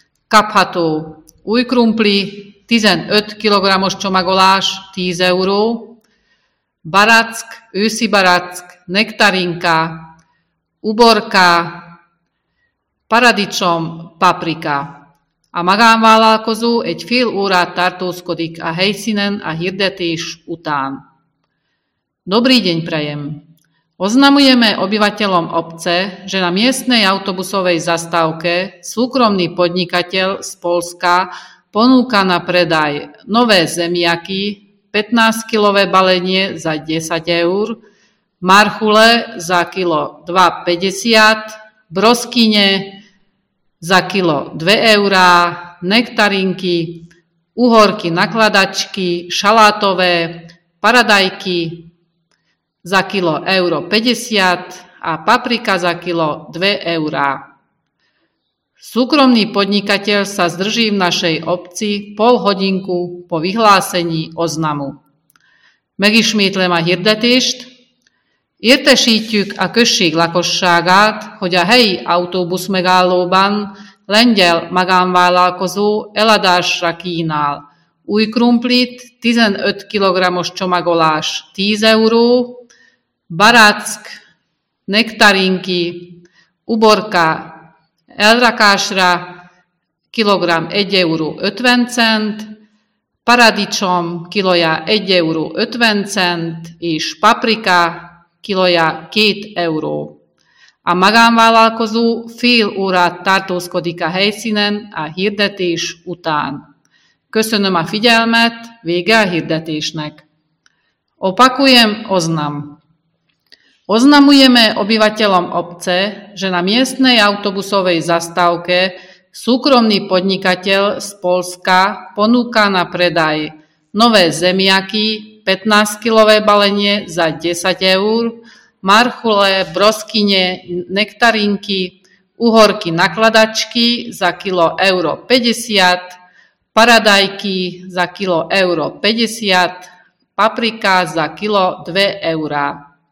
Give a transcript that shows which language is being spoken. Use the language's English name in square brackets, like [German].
[Hungarian] Kapható új krumpli 15 kg-os csomagolás 10 euró, barack, őszi barack, nektarinka, uborka, paradicsom, paprika. A magánvállalkozó egy fél órát tartózkodik a helyszínen a hirdetés után. [Slovak] Dobrý deň prajem. Oznamujeme obyvateľom obce, že na miestnej autobusovej zastávke súkromný podnikateľ z Polska ponúka na predaj nové zemiaky, 15-kilové balenie za 10 eur, marchule za kilo 2,50, broskyne za kilo 2 eurá, nektarinky, uhorky nakladačky, šalátové, paradajky za kilo 1,50 € a paprika za kilo 2 eurá. Súkromný podnikateľ sa zdrží v našej obci pol hodinku po vyhlásení oznamu. [Hungarian] Megismétlem a hirdetést. Értesítjük a község lakosságát, hogy a helyi autóbusz megállóban lengyel magánvállalkozó eladásra kínál új krumplit, 15 kg-os csomagolás 10 euró, barack, nektarinky, uborka elrakásra, kilogram 1 euró 50 cent, paradicsom kilója 1 euró 50 cent és paprika kilója 2 euró. A magánvállalkozó fél órát tartózkodik a helyszínen a hirdetés után. Köszönöm a figyelmet, vége a hirdetésnek. [Slovak] Opakujem oznam. Oznamujeme obyvateľom obce, že na miestnej autobusovej zastávke súkromný podnikateľ z Polska ponúka na predaj nové zemiaky, 15-kilové balenie za 10 eur, marchule, broskyne, nektarinky, uhorky nakladačky za kilo 1,50 €, paradajky za kilo 1,50 €, paprika za kilo 2 eurá.